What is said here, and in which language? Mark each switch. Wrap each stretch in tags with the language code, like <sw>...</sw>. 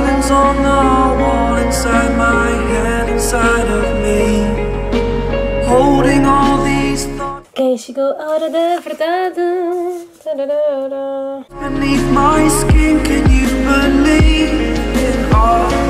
<en>On the wall inside my head, inside of me, holding all these thoughts.</en> <pt>Quem chegou a hora da verdade? Tararara.</pt> <en>Beneath my skin, can you believe in all?</en>